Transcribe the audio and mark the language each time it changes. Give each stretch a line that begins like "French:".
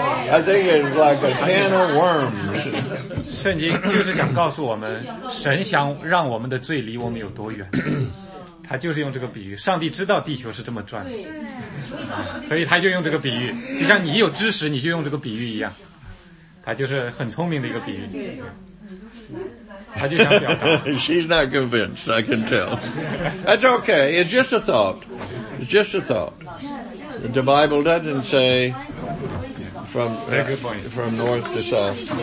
English: I think it's like a can of worms.
Chinese: 圣经就是想告诉我们，神想让我们的罪离我们有多远。他就是用这个比喻，上帝知道地球是这么转的，所以他就用这个比喻，就像你有知识，你就用这个比喻一样。他就是很聪明的一个比喻。
English: She's not convinced, I can tell. That's okay, it's just a thought. It's just a thought. The Bible doesn't say from north to south.